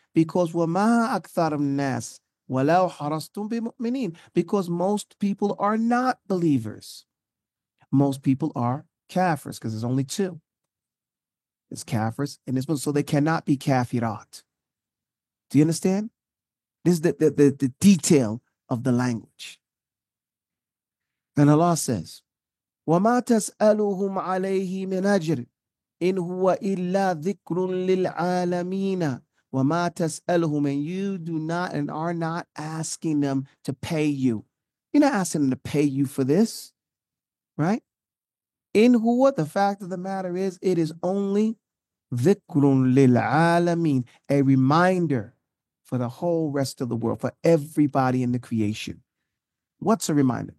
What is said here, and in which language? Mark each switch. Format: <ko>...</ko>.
<ar>Because وَمَا أَكْثَرُ النَّاسِ وَلَوْ حَرَصْتُمْ بِمُؤْمِنِينَ.</ar> <en>Because most people are not believers. Most people are kafirs, because there's only two. It's kafirs and it's Muslims. So they cannot be kafirat. Do you understand? This is the detail of the language. And Allah says,</en> <ar>وَمَا تَسْأَلُهُمْ عَلَيْهِ مِنْ أَجْرٍ إِنْ هُوَ إِلَّا ذِكْرٌ لِلْعَالَمِينَ. وَمَا تَسْأَلُهُمْ,</ar> <en>and you do not and are not asking them to pay you. You're not asking them to pay you for this, right? In huwa, the fact of the matter is, it is only</en> <ar>ذِكْرٌ لِلْعَالَمِينَ,</ar> <en>a reminder for the whole rest of the world, for everybody in the creation. What's a reminder?</en>